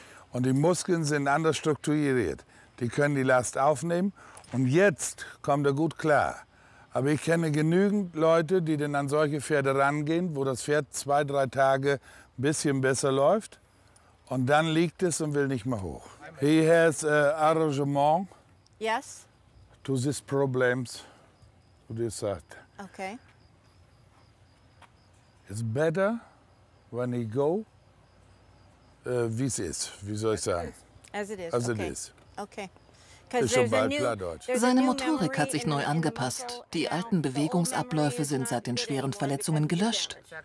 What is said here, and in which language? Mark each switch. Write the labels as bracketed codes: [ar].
[de] Und die Muskeln sind anders strukturiert. Die können die Last aufnehmen. Und jetzt kommt er gut klar. Aber ich kenne genügend Leute, die dann an solche Pferde rangehen, wo das Pferd zwei, drei Tage ein bisschen besser läuft. Und dann liegt es und will nicht mehr hoch. [en] He has arrangement. Yes. To these problems, to this side. Okay. It's better when he go, [de] wie es ist, wie soll ich sagen? [en] As it is. As it okay. is. Okay. [de] Ist schon bald Plattdeutsch. Seine Motorik hat sich neu angepasst. Die alten Bewegungsabläufe sind seit den schweren Verletzungen gelöscht.